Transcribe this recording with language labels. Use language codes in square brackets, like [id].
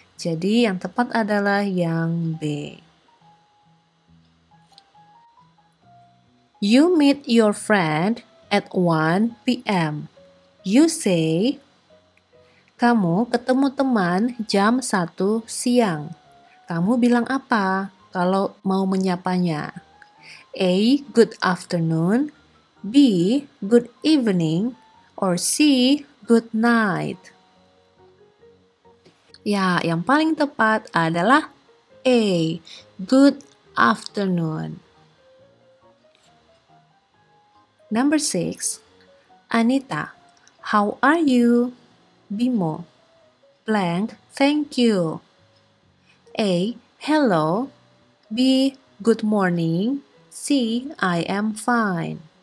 [id] Jadi yang tepat adalah yang B. [en] You meet your friend at 1 p.m. You say, [id] kamu ketemu teman jam 1 siang. Kamu bilang apa kalau mau menyapanya? [en] A, good afternoon. B, good evening. Or C, good night. [id] Ya, yang paling tepat adalah A, [en] good afternoon. Number 6, Anita, how are you? Bimo, blank, thank you. A, hello. B, good morning. C, I am fine.